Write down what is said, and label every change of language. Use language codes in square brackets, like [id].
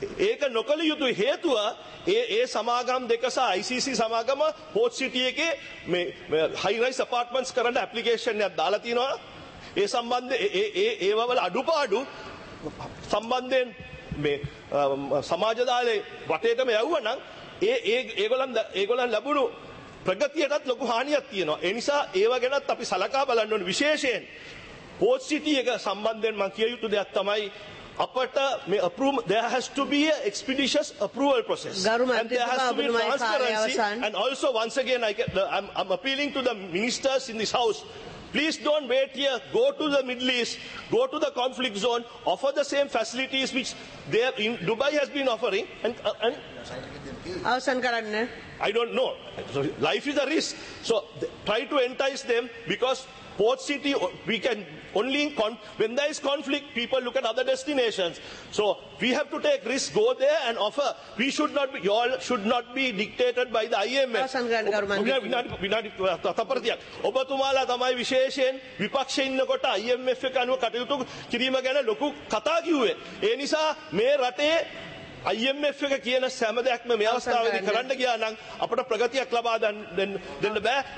[si] ඒක නොකළ යුතු හේතුව ඒ සමාගම් දෙක සහ ICC සමාගම පෝට් සිටි එකේ මේ හයි රයිස් අපාර්ට්මන්ට්ස් කරන්න ඇප්ලිකේෂන් එකක් දාලා තිනවා ඒ සම්බන්ධේ ඒ ඒවවල අඩුපාඩු සම්බන්ධයෙන් මේ සමාජ දාලේ වටේටම යවුවනම් ඒගොල්ලන් ලැබුණු ප්‍රගතියටත් ලොකු හානියක් තියෙනවා. ඒ නිසා ඒව ගැනත් අපි සලකා බලන්න ඕනේ විශේෂයෙන් පෝට් සිටි එක සම්බන්ධයෙන් මම කිය යුතු දෙයක් තමයි අපට මේ [en] approval there has to be a expeditious approval process. And there has to be transparency. And also once again I'm appealing to the ministers in this house. Please don't wait here. Go to the Middle East. Go to the conflict zone. Offer the same facilities which Dubai has been offering. And [si] අවසන් කරන්න. [en] I don't know. So life is a risk. So try to entice them because port city, we can only, when there is conflict, people look at other destinations. So we have to take risk, go there and offer. We should not be, you all should not be dictated by the IMF. [si] අවසන් කරන්න ගෞරවනීය. විනාඩි තත්පරයක්. ඔබතුමාලා තමයි විශේෂයෙන් විපක්ෂයේ ඉන්නකොට IMF එක අනුව කටයුතු කිරීම ගැන ලොකු කතා කිව්වේ. ඒ නිසා මේ රටේ IMF එක කියන සෑම දෙයක්ම මේ අවස්ථාවේදී කරන්න ගියා නම් අපට ප්‍රගතියක් ලබා දෙන්න බෑ.